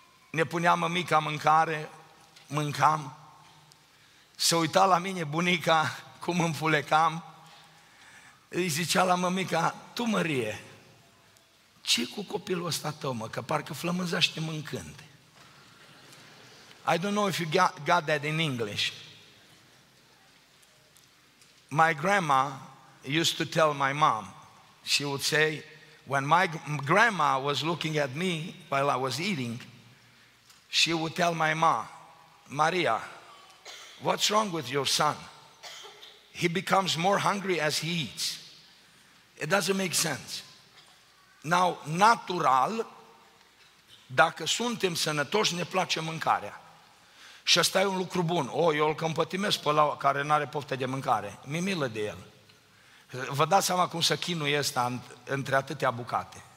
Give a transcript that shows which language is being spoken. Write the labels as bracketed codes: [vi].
[ro] Ne punea mămica mâncare, mâncam, se uita la mine bunica cum înfulecam, îi zicea la mămica, tu Mărie, ce cu copilul ăsta tău, mă, că parcă flămânzaște mâncând. [en] I don't know if you got that in English. My grandma used to tell my mom, she would say, when my grandma was looking at me while I was eating, she would tell my mom, Maria, what's wrong with your son? He becomes more hungry as he eats. It doesn't make sense. Now, [ro] natural, dacă suntem sănătoși, ne place mâncarea. Și ăsta e un lucru bun. Oh, eu îl cămpătimesc pe la care n-are poftă de mâncare. Mi-e milă de el. Vă dați seama cum se chinuie ăsta între atâtea bucate.